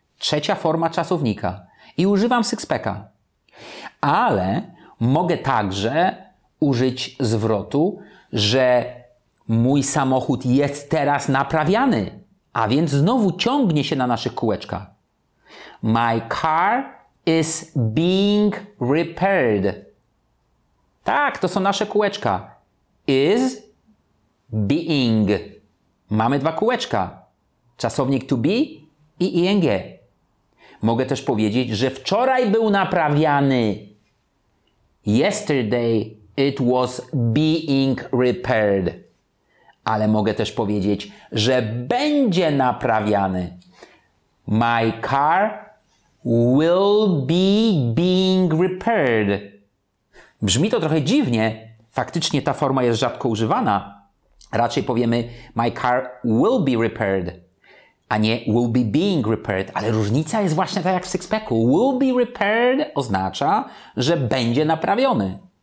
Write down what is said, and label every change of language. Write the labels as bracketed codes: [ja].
[pl] Trzecia forma czasownika. I używam sixpacka. Ale mogę także użyć zwrotu, że mój samochód jest teraz naprawiany. A więc znowu ciągnie się na naszych kółeczkach. [en] My car is being repaired. [pl] Tak, to są nasze kółeczka. [en] Is being. [pl] Mamy dwa kółeczka. Czasownik to be i ing. Mogę też powiedzieć, że wczoraj był naprawiany. [en] Yesterday it was being repaired. [pl] Ale mogę też powiedzieć, że będzie naprawiany. [en] My car will be being repaired. [pl] Brzmi to trochę dziwnie. Faktycznie ta forma jest rzadko używana. Raczej powiemy [en] my car will be repaired, [pl] a nie [en] will be being repaired. [pl] Ale różnica jest właśnie tak jak w sixpacku. [en] Will be repaired [pl] oznacza, że będzie naprawiony.